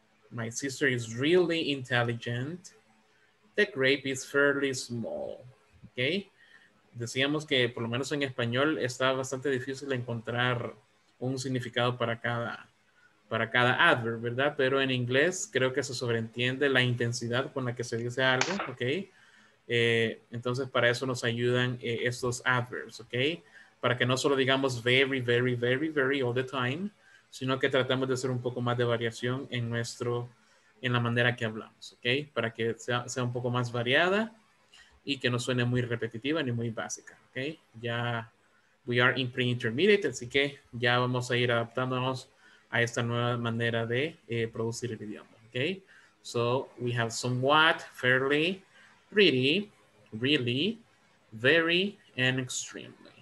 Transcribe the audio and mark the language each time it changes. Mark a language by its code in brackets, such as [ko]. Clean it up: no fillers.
[en] My sister is really intelligent. The grape is fairly small. Okay. [es] decíamos que por lo menos en español está bastante difícil encontrar un significado para cada adverb, ¿verdad? Pero en inglés creo que se sobreentiende la intensidad con la que se dice algo, ¿ok? Entonces para eso nos ayudan estos adverbs, ¿ok? Para que no solo digamos [en] very, very, very, very all the time, [es] sino que tratemos de hacer un poco más de variación en nuestro, en la manera que hablamos, ¿ok? Para que sea un poco más variada y que no suene muy repetitiva ni muy básica, ¿ok? Ya, [en] we are in pre-intermediate, [es] así que ya vamos a ir adaptándonos a esta nueva manera de producir el idioma, ¿ok? [en] So, we have somewhat, fairly, pretty, really, very, and extremely.